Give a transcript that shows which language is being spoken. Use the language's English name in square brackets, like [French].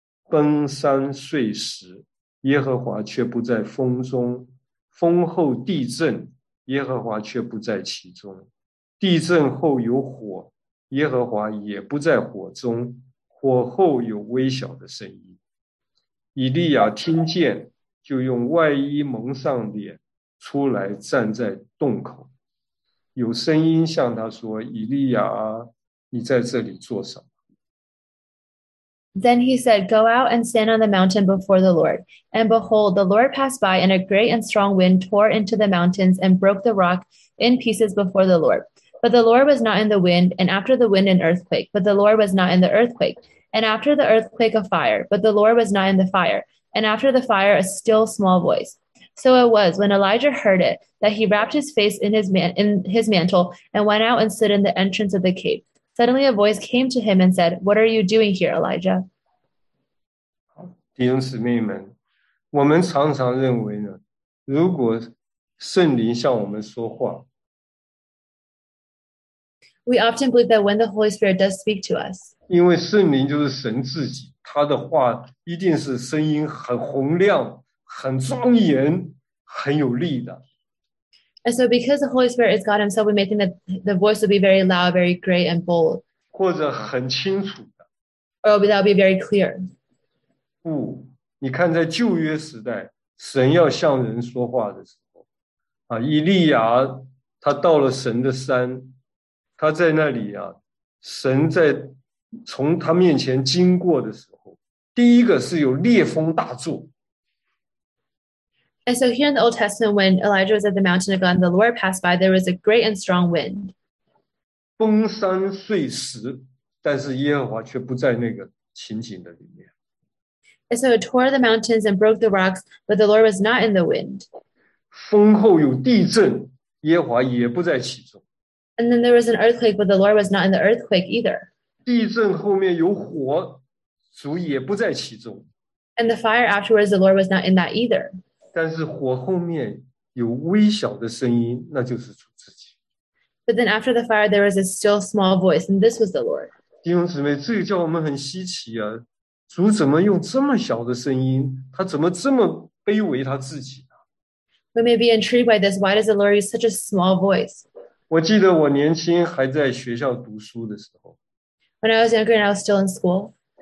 [Chinese] 崩山碎石，耶和华却不在风中；风后地震，耶和华却不在其中；地震后有火，耶和华也不在火中；火后有微小的声音。以利亚听见，就用外衣蒙上脸，出来站在洞口。有声音向他说：“以利亚，你在这里做什么？” [English] Then he said, "Go out and stand on the mountain before the Lord." And behold, the Lord passed by, and a great and strong wind tore into the mountains and broke the rock in pieces before the Lord. But the Lord was not in the wind, and after the wind, an earthquake. But the Lord was not in the earthquake. And after the earthquake, a fire. But the Lord was not in the fire. And after the fire, a still small voice. So it was, when Elijah heard it, that he wrapped his face in his mantle and went out and stood in the entrance of the cave. Suddenly a voice came to him and said, "What are you doing here, Elijah?" [Chinese] 弟兄姊妹们，我们常常认为呢，如果圣灵向我们说话， [English] We often believe that when the Holy Spirit does speak to us, [Chinese] 因为圣灵就是神自己，他的话一定是声音很洪亮，很庄严，很有力的。 [English] And so because the Holy Spirit is God himself, we may think that the voice will be very loud, very great and bold. [Chinese] 或者很清楚的。 [English] Or that will be very clear. [Chinese] 不，你看在旧约时代，神要向人说话的时候，啊，以利亚他到了神的山，他在那里啊，神在从他面前经过的时候，第一个是有烈风大作。 [English] And so here in the Old Testament, when Elijah was at the mountain of God and the Lord passed by, there was a great and strong wind. [Chinese] 崩山碎石，但是耶和华却不在那个情景的里面。 [English] And so it tore the mountains and broke the rocks, but the Lord was not in the wind. [Chinese] 风后有地震，耶和华也不在其中。 [English] And then there was an earthquake, but the Lord was not in the earthquake either. [Chinese] 地震后面有火，主也不在其中。 [English] And the fire afterwards, the Lord was not in that either. [Chinese] 但是火后面有微小的声音，那就是主自己。 [English] But then after the fire, there was a still small voice, and this was the Lord. [Chinese] 弟兄姊妹，这个叫我们很稀奇啊！主怎么用这么小的声音？他怎么这么卑微他自己呢？ [English] We may be intrigued by this. Why does the Lord use such a small voice? [Chinese] 我记得我年轻还在学校读书的时候。 [English] When I was younger and I was still in school.